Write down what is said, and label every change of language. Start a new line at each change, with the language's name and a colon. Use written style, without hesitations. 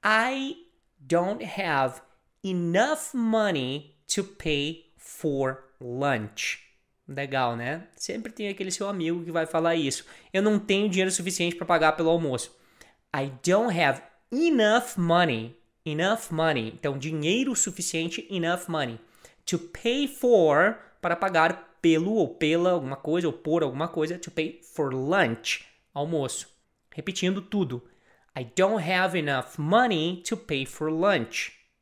English: I don't have enough money to pay for lunch.
Portuguese: Legal, né? Sempre tem aquele seu amigo que vai falar isso. Eu não tenho dinheiro suficiente para pagar pelo almoço.
English: I don't have enough money. Enough money.
Portuguese: Então, dinheiro suficiente,
English: enough money. To pay for,
Portuguese: para pagar pelo ou pela alguma coisa, ou por alguma coisa.
English: To pay for lunch, almoço.
Portuguese: Repetindo tudo.
English: I don't have enough money to pay for lunch.